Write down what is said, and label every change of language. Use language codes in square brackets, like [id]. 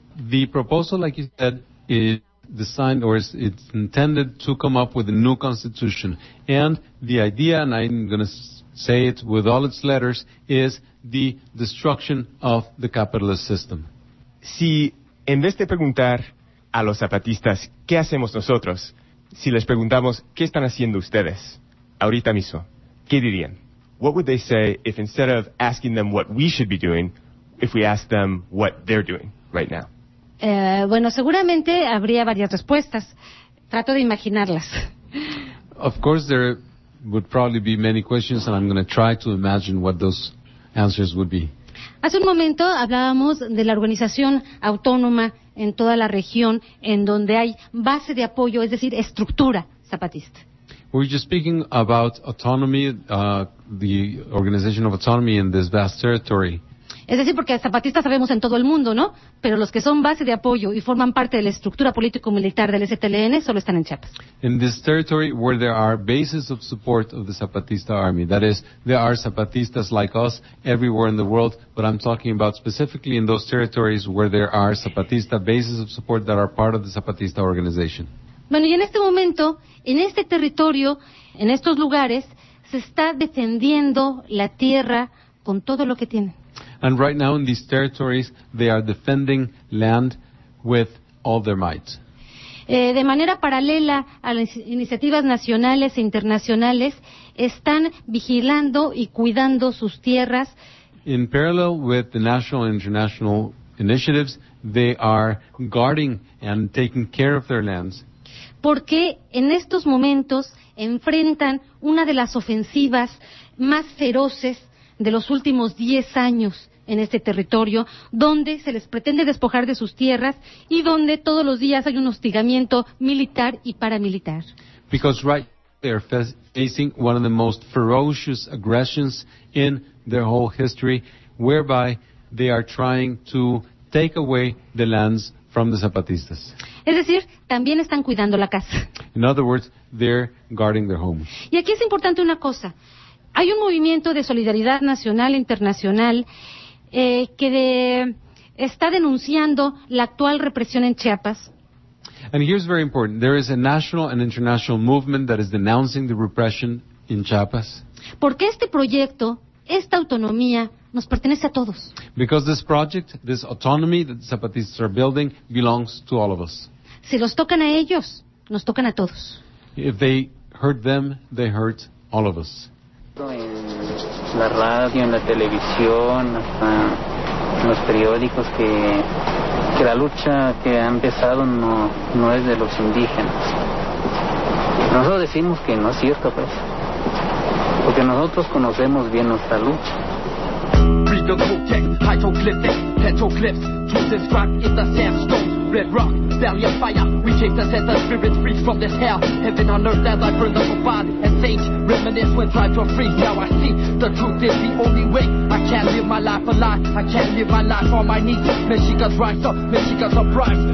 [en] The proposal, like you said, is designed or it's intended to come up with a new constitution. And the idea, and I'm going to say it with all its letters, is the destruction of the capitalist system. [es] Si en vez de preguntar a los zapatistas qué hacemos nosotros, si les preguntamos qué están haciendo ustedes ahorita mismo, ¿qué dirían? [en] What would they say if instead of asking them what we should be doing, if we ask them what they're doing right now? [es] Bueno, seguramente habría varias respuestas. Trato de imaginarlas. [en] Of course, there would probably be many questions, and I'm going to try to imagine what those answers would be. [es] Hace un momento hablábamos de la organización autónoma en toda la región en donde hay base de apoyo, es decir, estructura zapatista. [en] We're just speaking about autonomy, the organization of autonomy in this vast territory. [es] Es decir, porque zapatistas sabemos en todo el mundo, ¿no? Pero los que son base de apoyo y forman parte de la estructura político-militar del STLN solo están en Chiapas. [en] In this territory where there are bases of support of the Zapatista Army, that is, there are zapatistas like us everywhere in the world, but I'm talking about specifically in those territories where there are zapatista bases of support that are part of the Zapatista organization. [es] Bueno, y en este momento, en este territorio, en estos lugares, se está defendiendo la tierra con todo lo que tiene. [en] And right now in these territories, they are defending land with all their might. [es] De manera paralela a las iniciativas nacionales e internacionales, están vigilando y cuidando sus tierras. [en] In parallel with the national and international initiatives, they are guarding and taking care of their lands. [es] Porque en estos momentos enfrentan una de las ofensivas más feroces de los últimos 10 años en este territorio, donde se les pretende despojar de sus tierras y donde todos los días hay un hostigamiento militar y paramilitar. [en] Because right now they are facing one of the most ferocious aggressions in their whole history, whereby they are trying to take away the lands from the Zapatistas. [es] Es decir, también están cuidando la casa. [en] In other words, they're guarding their home. [es] Y aquí es importante una cosa. Hay un movimiento de solidaridad nacional e internacional está denunciando la actual represión en Chiapas. [en] And here's very important. There is a national and international movement that is denouncing the repression in Chiapas. [es] Porque este proyecto, esta autonomía, nos pertenece a todos. [en] Because this project, this autonomy that the Zapatistas are building, belongs to all of us. [es] Si los tocan a ellos, nos tocan a todos. [en] If they hurt them, they hurt all of us. [es] En la radio, en la televisión, hasta en los periódicos, que la lucha que ha empezado no es de los indígenas. Nosotros decimos que no es cierto, pues, porque nosotros conocemos bien nuestra lucha. [en] Read the cold text, hydroglyphic, petroglyphs, truth inscribed in the sandstone, red rock, valley of fire. We chase the set of spirits free from this hell. Heaven on earth as I burn the profound and saint. Reminisce when tribes are free. Now I see the truth is the only way. I can't live my life a lie. I can't live my life on my knees. Mexicans rise up, Mexicans uprise.